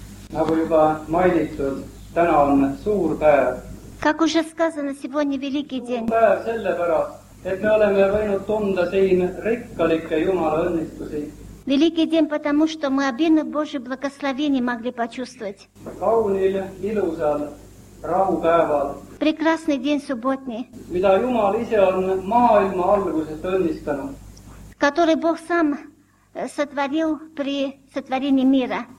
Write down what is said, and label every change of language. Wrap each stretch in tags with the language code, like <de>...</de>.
<et>Nagu juba mainitud, täna on suur päev.</et> <ru>Как уже сказано, сегодня великий день.</ru> <et>Suur päev sellepärast, et me oleme võinud tunda siin rikkalike Jumala õnnistusi.</et> <ru>Великий день, потому что мы обильно Божие благословение могли почувствовать.</ru> <et>Kaunil, ilusal, rahupäeval.</et> <ru>Прекрасный день субботний.</ru> <et>Mida Jumal ise on maailma algusest õnnistanud.</et> <ru>Который Бог сам сотворил при сотворении мира.</ru>